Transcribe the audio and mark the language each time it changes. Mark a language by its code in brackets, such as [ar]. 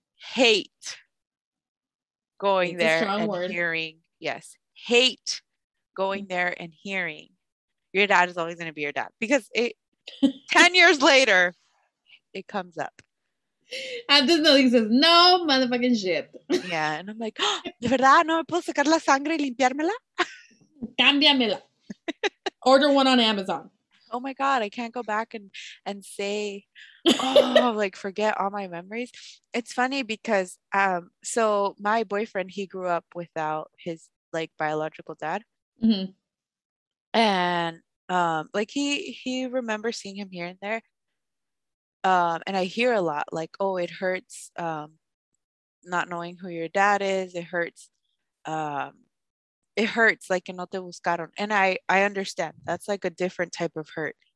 [en] Hate going there and hearing. Yes. Hate. Going there and hearing your dad is always going to be your dad because it 10 years later it comes up and this building says no motherfucking shit. Yeah, and I'm like, [es] de verdad no me puedo sacar la sangre y limpiármela, cámbiamela. [en] Order one on Amazon. Oh my god, I can't go back and say, oh, like forget all my memories. It's funny because so my boyfriend, he grew up without his like biological dad. Mm-hmm. And like he remembers seeing him here and there, and I hear a lot like, oh, it hurts not knowing who your dad is, it hurts like [es] no te buscaron, [en] and I understand that's like a different type of hurt.